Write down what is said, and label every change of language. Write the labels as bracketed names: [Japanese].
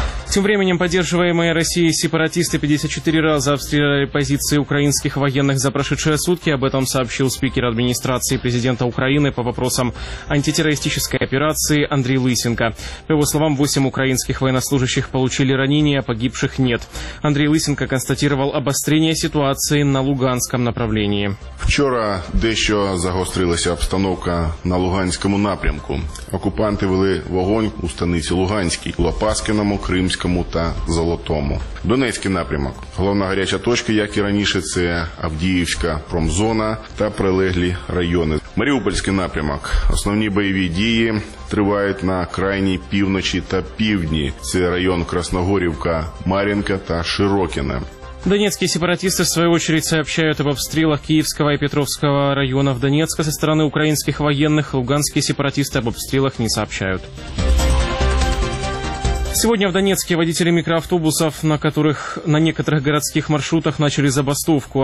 [Russian] Тем временем поддерживаемые Россией сепаратисты 54 раза обстреляли позиции украинских военных за прошедшие сутки. Об этом сообщил спикер администрации президента Украины по вопросам антитеррористической операции Андрей Лысенко. По его словам, 8 украинских военнослужащих получили ранения, погибших нет. Андрей Лысенко констатировал обострение ситуации на Луганском направлении. [Ukrainian] Вчера дещо загострилася обстановка на Луганському напрямку. Окупанти вели вогонь у станиці Луганській, Лопаскиному, Крим. Та Золотому. Донецький напрямок. Головна гаряча точка, як і раніше, це Авдіївська промзона та прилеглі райони. Маріупольський напрямок. Основні бойові дії тривають на крайній півночі та півдні. Це район Красногорівка, Мар'їнка та Широкине. [Russian] Донецкие сепаратисты, в свою очередь, сообщают об обстрелах Киевского и Петровского районов Донецка со стороны украинских военных. Луганские сепаратисты об обстрелах не сообщают. Сегодня в Донецке водители микроавтобусов, на некоторых городских маршрутах начали забастовку.